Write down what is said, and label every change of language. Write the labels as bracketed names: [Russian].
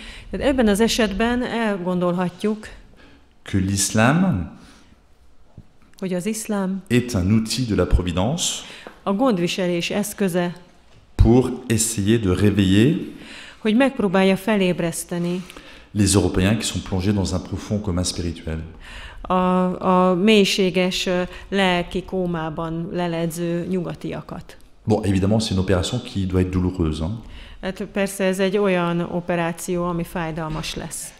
[Hungarian] Tehát ebben az esetben elgondolhatjuk, [French] que l'islam, [Hungarian] hogy az iszlám [French] est un outil de la providence, [Hungarian] a gondviselés eszköze, [French] pour essayer de réveiller, [Hungarian] hogy megpróbálja felébreszteni, [French] les Européens qui sont plongés dans un profond coma spirituel. [Hungarian] A mélységes lelki kómában leledző nyugatiakat. [French] Bon, évidemment, c'est une opération qui doit être douloureuse. Hein? [Hungarian] Hát persze ez egy olyan operáció, ami fájdalmas lesz.